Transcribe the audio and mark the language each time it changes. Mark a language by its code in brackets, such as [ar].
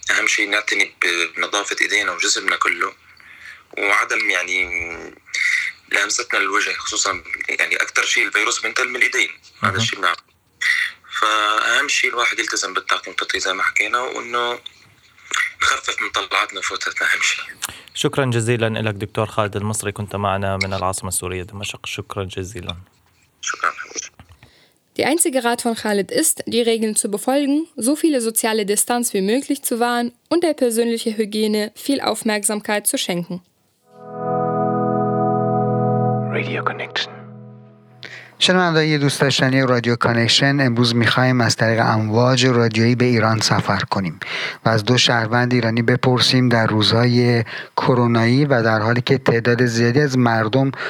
[ar] أهم شيء نعتني بنظافة إيدينا وجسمنا كله. وعدم يعني لمستنا الوجه خصوصا يعني اكثر شيء الفيروس بينتقل من الايدين هذا الشيء بنعرفه فاهم شيء الواحد يلتزم بالتعقيم والتطهير زي ما حكينا وانه نخفف من طلعاتنا وفوتتنا اهم شيء شكرا جزيلا لك دكتور خالد المصري كنت معنا من العاصمه السوريه دمشق شكرا جزيلا شكرا [de] Der einzige Rat von Khalid ist, die Regeln zu befolgen, so viele soziale Distanz wie möglich zu wahren und der persönlichen Hygiene viel Aufmerksamkeit zu schenken. [en] Radio Connection. [fa] شنوندگان دوست داشتنی رادیو کانکشن امروز میخواییم از طریق امواج رادیویی به ایران سفر کنیم و از دو شهروند ایرانی بپرسیم در روزهای کرونایی و در حالی که تعداد زیادی از مردم